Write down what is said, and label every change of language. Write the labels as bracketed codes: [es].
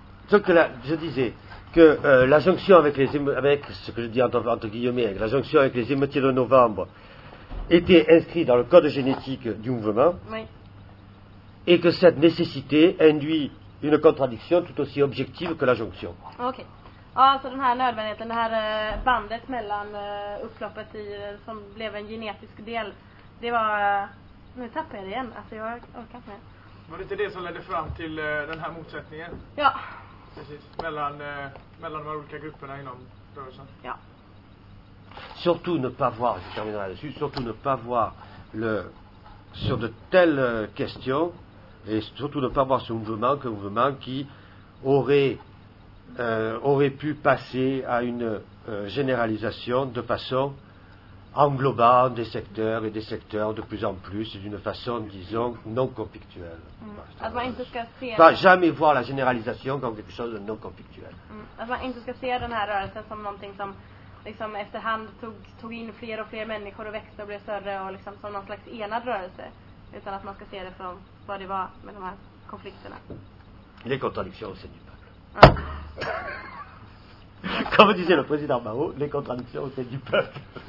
[fr] Donc, là, je disais que la jonction avec les avec ce que je dis entre guillemets, avec la jonction avec les émeutiers de novembre était inscrite dans le code génétique du mouvement. Oui. Et que cette nécessité induit une contradiction tout aussi objective que la jonction. Ok. [sv] Alltså den här nödvändigheten, det här bandet mellan upploppet i, som blev en genetisk del, det var... Nu tappar jag det igen, alltså jag orkar inte med. Var det inte det som ledde fram till den här motsättningen? Ja. Precis, mellan, mellan de olika grupperna inom rörelsen. Ja. [fr] Surtout ne pas voir, je terminerai là-dessus, surtout ne pas voir le, sur de telles questions, et surtout ne pas voir ce mouvement comme un mouvement qui aurait... aurait pu passer à une généralisation de façon englobant des secteurs de plus en plus et d'une façon, disons, non conflictuelle. [sv] Mm. Bah, inte ska se pas det. [fr] Jamais voir la généralisation comme quelque chose de non conflictuel. [sv] Att man inte ska se den här rörelsen som någonting som liksom efterhand tog in fler och fler människor och växte och blev större och liksom som någon slags enad rörelse, utan att man ska se det från vad det var med de här konflikterna. [fr] Les contradictions, c'est du peuple. Comme disait le président Mao, les contradictions c'est du peuple.